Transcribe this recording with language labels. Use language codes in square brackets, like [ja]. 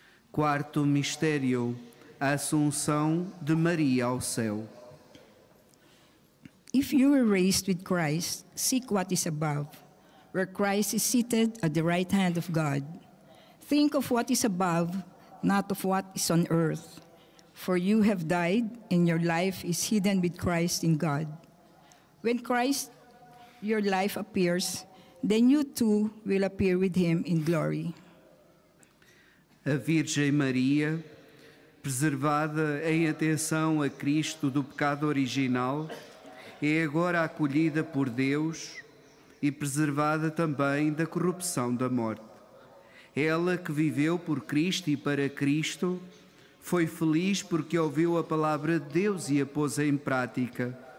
[pt] Quarto mistério, a Assunção de Maria ao céu. [en] If you were raised with Christ, seek what is above, where Christ is seated at the right hand of God. Think of what is above, not of what is on earth. For you have died, and your life is hidden with Christ in God. When Christ, your life appears, then you too will appear with him in glory. [pt] A Virgem Maria, preservada em atenção a Cristo do pecado original, é agora acolhida por Deus e preservada também da corrupção da morte. Ela que viveu por Cristo e para Cristo, foi feliz porque ouviu a palavra de Deus e a pôs em prática.